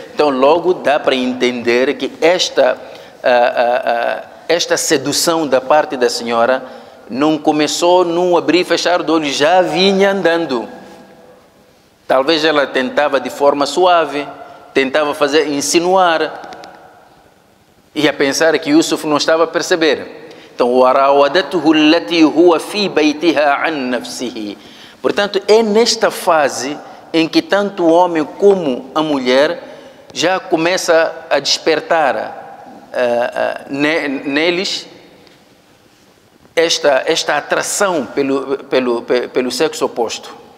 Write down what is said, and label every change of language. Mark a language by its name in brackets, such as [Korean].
[Portuguese] Então, logo dá para entender que esta sedução da parte da senhora não começou num abrir e fechar de olhos, já vinha andando. Talvez ela tentava de forma suave, tentava fazer insinuar, e a pensar que Yusuf não estava a perceber. Então, [Arabic] وَرَاوَدَتُهُ الَّتِي هُوَ فِي بَيْتِهَا عَنْ نَفْسِهِ. [Portuguese] Portanto, é nesta fase em que tanto o homem como a mulher já começa a despertar neles esta atração pelo sexo oposto.